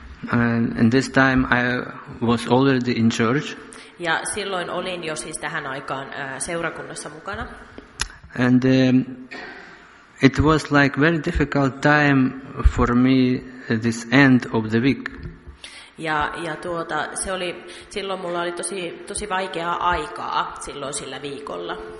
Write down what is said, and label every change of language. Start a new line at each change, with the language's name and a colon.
English: And this time I was already in church.
Finnish: Ja silloin olin jo siis tähän aikaan seurakunnassa mukana.
English: And it was like very difficult time for me this end of the week.
Finnish: Ja se oli silloin mulla oli tosi vaikeaa aikaa silloin sillä viikolla.